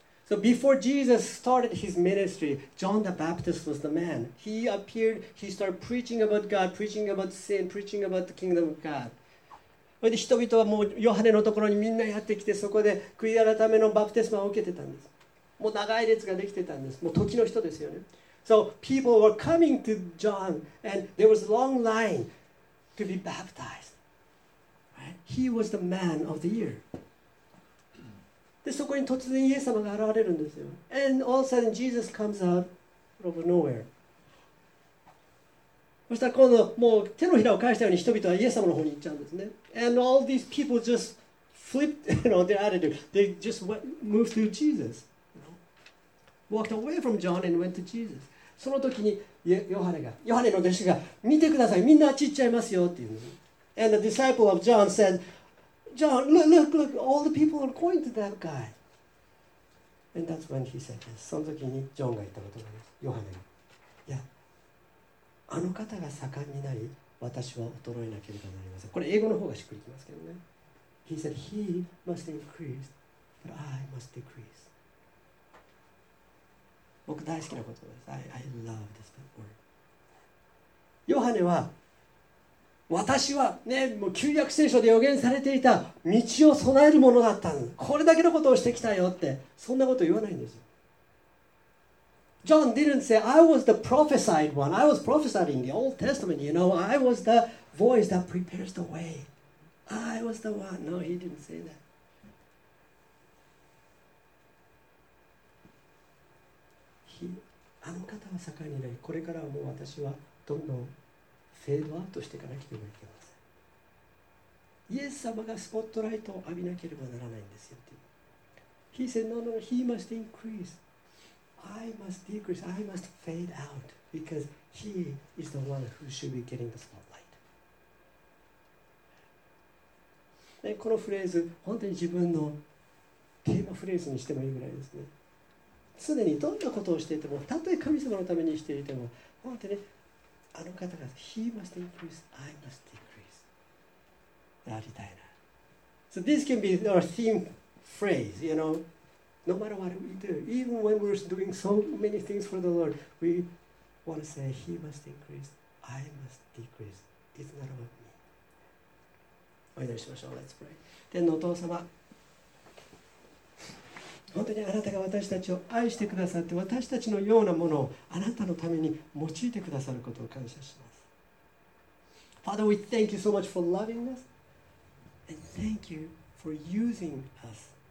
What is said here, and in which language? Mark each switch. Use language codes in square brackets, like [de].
[en] So before Jesus started his ministry, John the Baptist was the man. He appeared, he started preaching about God, preaching about sin, preaching about the kingdom of God. [ja] それで人々はもうヨハネのところにみんなやってきて、そこで悔い改めのバプテスマを受けてたんです。もう長い列ができてたんです。もう時の人ですよね。 [en] So people were coming to John and there was a long line to be baptized. He was the man of the year. [ja] で、そこに突然イエス様が現れるんですよ。 [en] And all of a sudden Jesus comes out of nowhere. [ja] そしたら今度もう手のひらを返したように人々はイエス様の方に行っちゃうんですね。 [en] And all these people just flipped, you know, their attitude. They just went, moved to Jesus. Walked away from John and went to Jesus. [ja] その時にヨハネの弟子が見てください、みんなあっち行っちゃいますよっていう。 [en] And the disciple of John said, John, look, look, look, all the people are going to that guy. And that's when he said this. [ja] その時にジョンが言ったことがあります。ヨハネが、いや、あの方が盛んになり、私は衰えなければなりません。これ英語の方がしっくりきますけどね。 [en] He said, he must increase, but I must decrease. [ja] 僕大好きな言葉です。 [en] I love this word. [ja] ヨハネは、私はね、もう旧約聖書で予言されていた道を備えるものだったんです。これだけのことをしてきたよって、そんなこと言わないんですよ。 [en] John didn't say, I was the prophesied one. I was prophesied in the Old Testament, you know. I was the voice that prepares the way. I was the one. No, he didn't say that. [ja] あの方は盛んになり、これからはもう私はどんどんフェードアウトしていかなければいけません。イエス様がスポットライトを浴びなければならないんですよって。 [en] He said, no, no, he must increase. I must decrease, I must fade out because he is the one who should be getting the spotlight. [ja] でこのフレーズ、本当に自分のテーマフレーズにしてもいいぐらいですね。常にどんなことをしていても、たとえ神様のためにしていても、本当に、ね、あの方が [en] He must increase, I must decrease. [ja] ありたいな。 [en] So this can be our theme phrase, you know. No matter what we do, even when we're doing so many things for the Lord, we want to say, He must increase, I must decrease. It's not about me. [ja] お祈りしましょう。 [en] Let's pray. [ja] 天のお父様、本当にあなたが私たちを愛してくださって、私たちのようなものをあなたのために用いてくださることを感謝します。 [en] Father, we thank you so much for loving us, and thank you for using us.